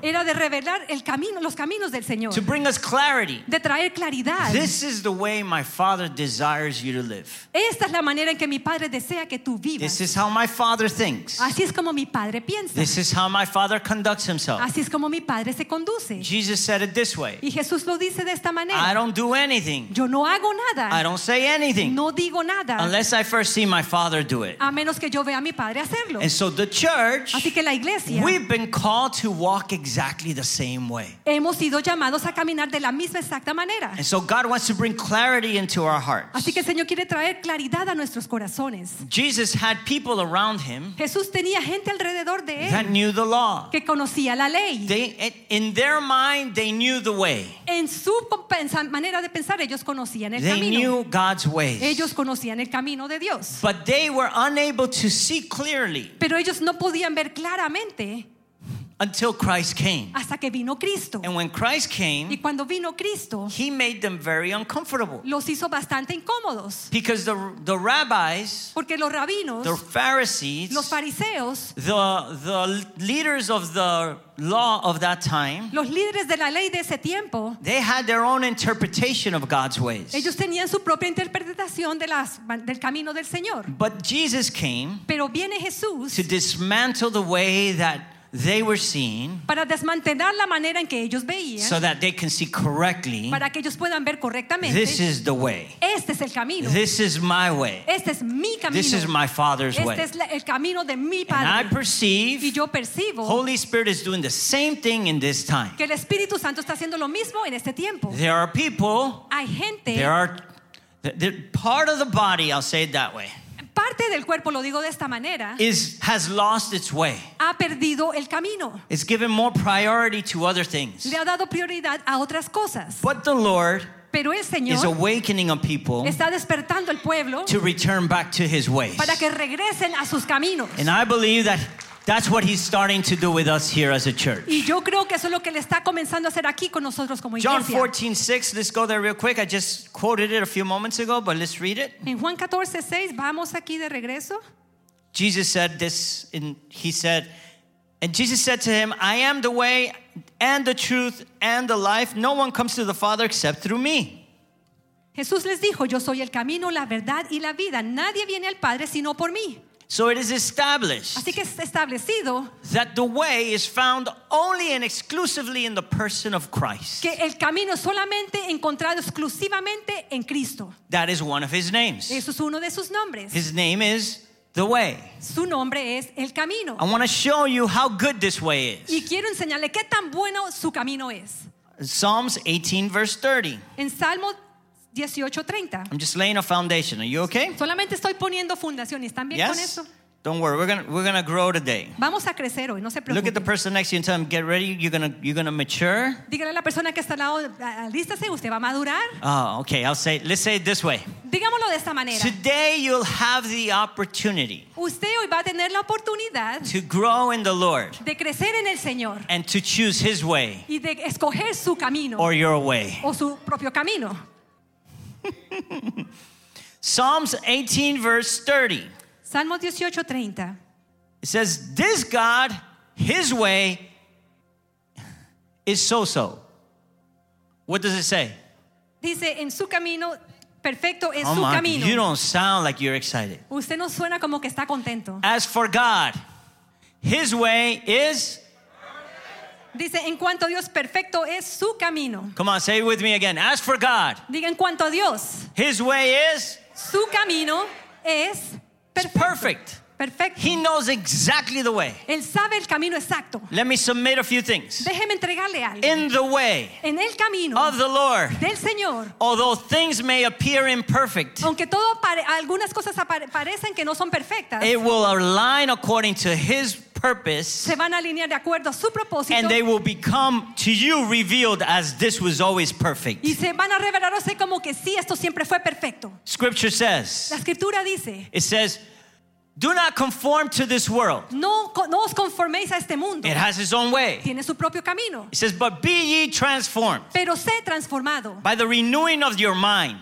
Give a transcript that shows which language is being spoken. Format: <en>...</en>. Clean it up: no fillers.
<es>Era de revelar el camino, los caminos del Señor.</es> <en>To bring us clarity.</en> <es>De traer claridad.</es> <en>This is the way my Father desires you to live.</en> <es>Esta es la manera en que mi Padre desea que tú vivas.</es> <en>This is how my Father thinks.</en> <es>Así es como mi Padre piensa.</es> <en>This is how my Father conducts himself.</en> <es>Así es como mi Padre se conduce.</es> <en>Jesus said it this way.</en> <es>Y Jesús lo dice de esta manera.</es> <en>I don't do anything.</en> <es>Yo no hago nada.</es> <en>I don't say anything.</en> <es>No digo nada.</es> <en>Unless I first see my Father. Father, do it.</en> <es>A menos que yo vea a mi padre hacerlo.</es> <en>And so the church,</en> <es>así que la iglesia,</es> <en>we've been called to walk exactly the same way.</en> <es>Hemos sido llamados a caminar de la misma exacta manera.</es> <en>And so God wants to bring clarity into our hearts.</en> <es>Así que el Señor quiere traer claridad a nuestros corazones.</es> <en>Jesus had people around him.</en> <es>Jesús tenía gente alrededor de él.</es> <en>That knew the law.</en> <es>Que conocía la ley.</es> <en>They, in their mind, they knew the way.</en> <es>En su manera de pensar, ellos conocían el</es> <en>they</en> <es>camino.</es> <en>They knew God's ways.</en> <es>Ellos conocían el camino de Dios.</es> <en>But they were unable to see clearly.</en> <es>Pero ellos no podían ver claramente.</es> <en>Until Christ came.</en> <es>Hasta que vino Cristo.</es> <en>And when Christ came,</en> <es>y cuando vino Cristo,</es> <en>he made them very uncomfortable.</en> <es>Los hizo bastante incómodos.</es> <en>Because the rabbis,</en> <es>porque los rabinos,</es> <en>the Pharisees,</en> <es>los fariseos,</es> <en>the leaders of the law of that time,</en> <es>los líderes de la ley de ese tiempo,</es> <en>they had their own interpretation of God's ways.</en> <es>Ellos tenían su propia interpretación de las, del camino del Señor.</es> <en>But Jesus came,</en> <es>pero viene Jesús,</es> <en>to dismantle the way that they were seeing,</en> <es>para desmantelar la manera en que ellos veían,</es> <en>so that they can see correctly,</en> <es>para que ellos puedan ver correctamente,</es> <en>this is the way,</en> <es>este es el camino,</es> <en>this is my way,</en> <es>este es mi camino,</es> <en>this is my Father's</en> <es>este</es> <en>way,</en> <es>este es el camino de mi Padre.</es> <en>And I perceive,</en> <es>y yo percibo,</es> <en>Holy Spirit is doing the same thing in this time,</en> <es>que el Espíritu Santo está haciendo lo mismo en este tiempo.</es> <en>There are people,</en> <es>hay gente,</es> <en>they're part of the body, I'll say it that way,</en> <es>parte del cuerpo, lo digo de esta manera,</es> <en>has lost its way.</en> <es>Ha perdido el camino.</es> <en>It's given more priority to other things.</en> <es>Le ha dado prioridad a otras cosas.</es> <en>But the Lord,</en> <es>pero el Señor,</es> <en>is awakening a people,</en> <es>está despertando el pueblo,</es> <en>to return back to his ways,</en> <es>para que regresen a sus caminos.</es> <en>And I believe that that's what he's starting to do with us here as a church.</en> <es>Y yo creo que eso es lo que le está comenzando a hacer aquí con nosotros como iglesia.</es> <en>John 14:6, let's go there real quick. I just quoted it a few moments ago, but let's read it.</en> <es>En Juan 14:6, vamos aquí de regreso.</es> <en>Jesus said this, and Jesus said to him, "I am the way and the truth and the life. No one comes to the Father except through me."</en> <es>Jesús les dijo, "Yo soy el camino, la verdad y la vida. Nadie viene al Padre sino por mí."</es> <en>So it is established,</en> <es>así que es establecido,</es> <en>that the way is found only and exclusively in the person of Christ.</en> <es>Que el camino es solamente encontrado exclusivamente en Cristo.</es> <en>That is one of his names.</en> <es>Eso es uno de sus nombres.</es> <en>His name is the way.</en> <es>Su nombre es el camino.</es> <en>I want to show you how good this way is.</en> <es>Y quiero enseñarle qué tan bueno su camino es.</es> <en>Psalms 18 verse 30.</en> <es>En Salmo 18:30.</es> <en>I'm just laying a foundation. Are you okay?</en> <es>Solamente estoy poniendo fundación. ¿Están bien</es> <en>yes?</en> <es>con eso?</es> <en>Don't worry. We're gonna grow today.</en> <es>Vamos a crecer hoy. No se preocupe.</es> <en>Look at the person next to you and tell them, "Get ready. You're gonna mature."</en> <es>Dígale a la persona que está al lado, alístase. Usted va a madurar.</es> <en>Oh, okay. Let's say it this way.</en> <es>Digámoslo de esta manera.</es> <en>Today you'll have the opportunity.</en> <es>Usted hoy va a tener la oportunidad.</es> <en>To grow in the Lord.</en> <es>De crecer en el Señor.</es> <en>And to choose His way.</en> <es>Y de escoger su camino.</es> <en>Or your way.</en> <es>O su propio camino.</es> <en>Psalms 18 verse 30.</en> <es>Salmo 18:30.</es> <en>It says, "This God, His way is so-so." What does it say?</en> <es>Dice, "En su camino perfecto es oh su my, camino."</es> <en>You don't sound like you're excited.</en> <es>Usted no suena como que está contento.</es> <en>As for God, His way is.</en> <es>Dice, "En cuanto a Dios, perfecto es su camino."</es> <en>Come on, say it with me again. As for God.</en> <es>Diga, "En cuanto a Dios."</es> <en>His way is.</en> <es>Su camino es.</es> <en>It's perfect.</en> <es>Perfecto.</es> <en>He knows exactly the way.</en> <es>Él sabe el camino exacto.</es> <en>Let me submit a few things.</en> <es>Déjeme entregarle algo.</es> <en>In the way.</en> <es>En el camino.</es> <en>Of the Lord.</en> <es>Del Señor.</es> <en>Although things may appear imperfect.</en> <es>Aunque todo algunas cosas parecen que no son perfectas.</es> <en>It will align according to His purpose.</en> <es>Se van a alinear de acuerdo a su propósito.</es> <en>And they will become to you revealed as this was always perfect.</en> <es>Y se van a revelar así como que sí, esto siempre fue perfecto.</es> <en>Scripture says.</en> <es>La escritura dice.</es> <en>It says, Do not conform to this world.</en> <es>No os conforméis a este mundo.</es> <en>It has its own way.</en> <es>Tiene su propio camino.</es> <en>It says, but be ye transformed.</en> <es>Pero sé transformado.</es> <en>By the renewing of your mind.</en>